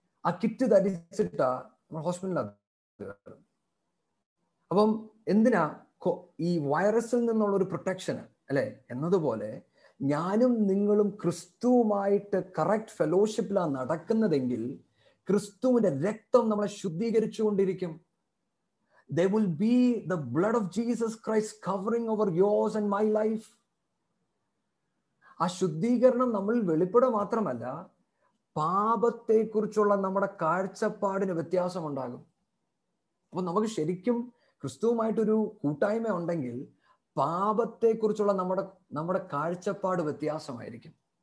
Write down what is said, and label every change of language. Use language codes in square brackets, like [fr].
[en] A kit that is [ml] itta nammal hospital la avum endina ee virusil ninnulla oru protection alle ennathu pole ഞാനും നിങ്ങളും ക്രിസ്തുവുമായിട്ട് correct ഫെലോഷിപ്പിലാണ് നടക്കുന്നതെങ്കിൽ ക്രിസ്തുവിന്റെ രക്തം നമ്മളെ ശുദ്ധീകരിച്ചു കൊണ്ടിരിക്കും. [en] There will be the blood of Jesus Christ covering over yours and my life. [ml] ആ ശുദ്ധീകരണം നമ്മൾ വെളിപ്പെടുക മാത്രമല്ല, പാപത്തെ കുറിച്ചുള്ള നമ്മുടെ കാഴ്ചപ്പാടിന് വ്യത്യാസമുണ്ടാകും. അപ്പൊ നമുക്ക് ശരിക്കും ക്രിസ്തുവുമായിട്ടൊരു കൂട്ടായ്മ ഉണ്ടെങ്കിൽ പാപത്തെ കുറിച്ചുള്ള നമ്മുടെ കാഴ്ചപ്പാട് വ്യത്യാസമായിരിക്കും.